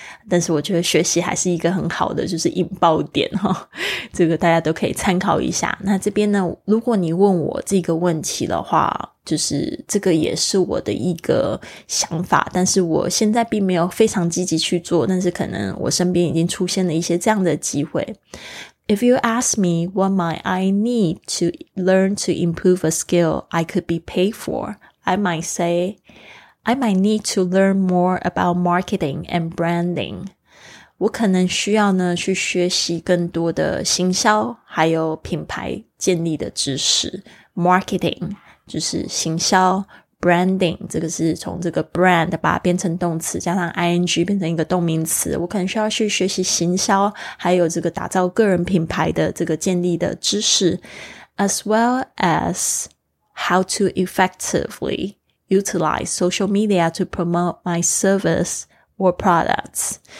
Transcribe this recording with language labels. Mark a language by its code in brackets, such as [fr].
[zh] 但是我觉得学习还是一个很好的就是引爆点、哦、这个大家都可以参考一下。那这边呢，如果你问我这个问题的话，就是这个也是我的一个想法，但是我现在并没有非常积极去做，但是可能我身边已经出现了一些这样的机会。 [en] If you ask me what might I need to learn to improve a skill I could be paid for, I might sayI might need to learn more about marketing and branding. [zh] 我可能需要呢去学习更多的行销还有品牌建立的知识。 Marketing 就是行销， Branding 这个是从这个 brand 把它变成动词加上 ing 变成一个动名词。我可能需要去学习行销还有这个打造个人品牌的这个建立的知识， [en] As well as how to effectivelyutilize social media to promote my service or products.